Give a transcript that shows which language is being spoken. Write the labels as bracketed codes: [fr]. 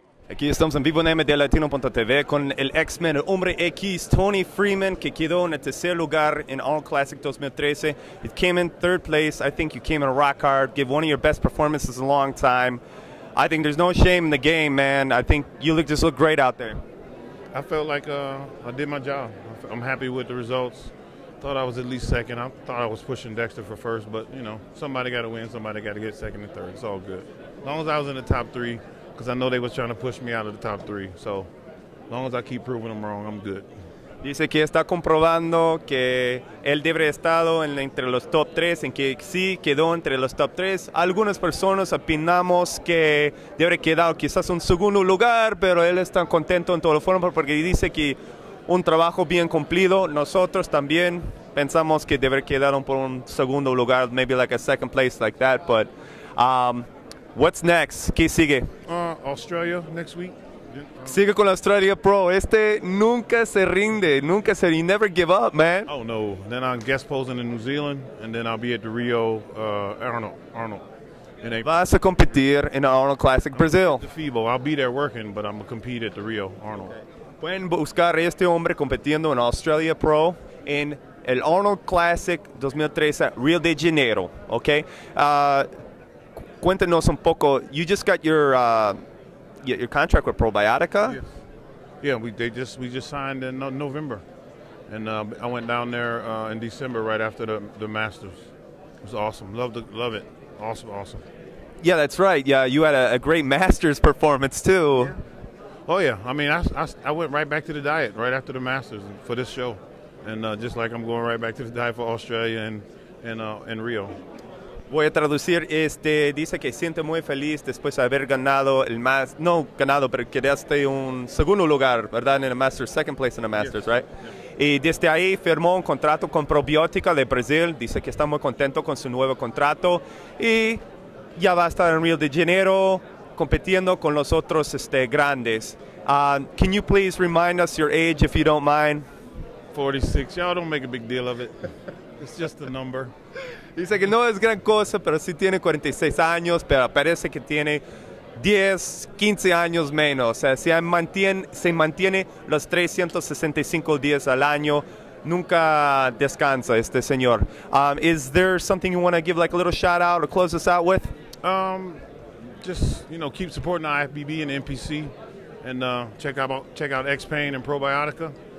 [es] Aquí estamos en vivo en MD Latino.tv con el X-Men, el hombre X, Tony Freeman, que quedó en el tercer lugar en Arnold Classic 2013. [en] It came in third place. I think you came in rock hard, gave one of your best performances in a long time. I think there's no shame in the game, man. I think you look, just look great out there. I felt like I did my job. I'm happy with the results. Thought I was at least second. I thought I was pushing Dexter for first, but, you know, somebody got to win, somebody got to get second and third. It's all good. As long as I was in the top three, because I know they was trying to push me out of the top three. So, as long as I keep proving them wrong, I'm good. [es] Dice que está comprobando que él debería estar entre los top tres, en que sí quedó entre los top tres. Algunas personas opinamos que debería quedar quizás un segundo lugar, pero él está contento en todo el foro porque dice que un trabajo bien cumplido. Nosotros también pensamos que debería quedar por un segundo lugar, [en] maybe like a second place like that, but... What's next? [es] ¿Qué sigue? [en] Australia next week. [es] Sigue con Australia Pro. Este nunca se rinde. Nunca se rinde. [en] You never give up, man. Oh, no. Then I'm guest posing in New Zealand, and then I'll be at the Rio Arnold. In April. [es] Vas a competir en Arnold Classic Brazil. [en] The FIBO. I'll be there working, but I'm going to compete at the Rio Arnold. Okay. [es] Pueden buscar este hombre competiendo en Australia Pro en el Arnold Classic 2013 Rio de Janeiro. Okay? Cuéntanos un poco. [en] You just got your contract with Probiotica. Yes. Yeah, we just signed in November, and I went down there in December right after the Masters. It was awesome. Love it. Awesome, awesome. Yeah, that's right. Yeah, you had a great Masters performance too. Yeah. Oh yeah. I mean, I went right back to the diet right after the Masters for this show, and just like I'm going right back to the diet for Australia and Rio. [es] Voy a traducir, dice que siente muy feliz después de haber ganado el más, no ganado, pero quedaste un segundo lugar, ¿verdad? En el Masters, [en] second place in the Masters, yes. Right? Yes. [es] Y desde ahí firmó un contrato con Probiotica de Brasil, dice que está muy contento con su nuevo contrato y ya va a estar en Rio de Janeiro compitiendo con los otros grandes. [en] Can you please remind us your age if you don't mind? 46, y'all don't make a big deal of it. It's just a number. [es] Dice que no es gran cosa, pero sí tiene 46 años, pero parece que tiene 10, 15 años menos. O sea, se mantiene los 365 días al año, nunca descansa este señor. [en] Is there something you want to give, like a little shout out or close us out with? Just, you know, keep supporting the IFBB and the NPC, and check out X-Pain and Probiotica.